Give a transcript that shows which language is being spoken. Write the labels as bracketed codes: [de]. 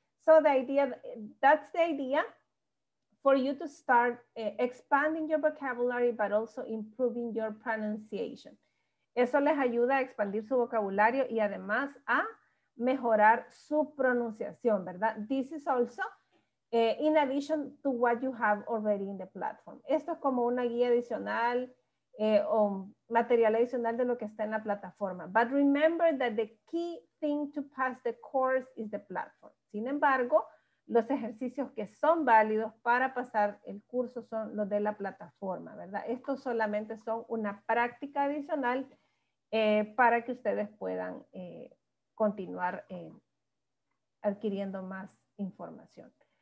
[en] So the idea, that's the idea for you to start expanding your vocabulary but also improving your pronunciation. [es] Eso les ayuda a expandir su vocabulario y además a mejorar su pronunciación, ¿verdad? [en] This is also in addition to what you have already in the platform. [es] Esto es como una guía adicional o material adicional de lo que está en la plataforma. [en] But remember that the key thing to pass the course is the platform. [es] Sin embargo, los ejercicios que son válidos para pasar el curso son los de la plataforma, ¿verdad? Estos solamente son una práctica adicional para que ustedes puedan continuar adquiriendo más información.